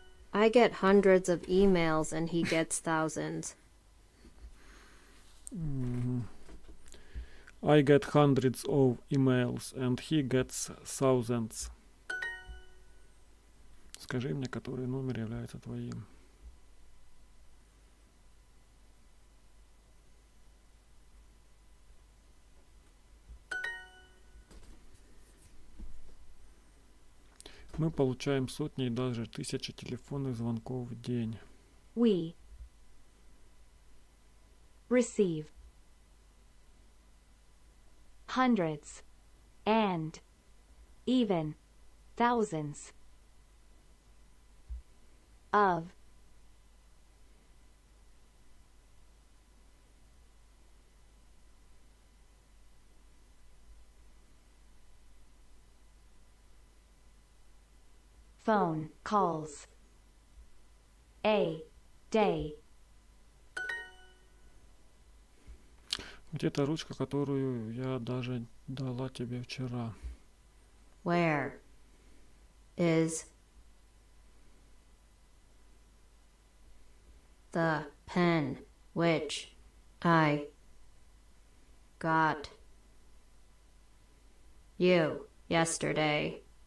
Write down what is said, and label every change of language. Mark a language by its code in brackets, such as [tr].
[en] I get hundreds of emails and he gets thousands. I get hundreds of emails and he gets thousands. [ru] Скажи мне, который номер является твоим. Мы получаем сотни и даже тысячи телефонных звонков в день. [en] We receive hundreds and even thousands of phone calls a day. [ru] Где та ручка, которую я даже дала тебе вчера? [en] Where is the pen which I got you yesterday?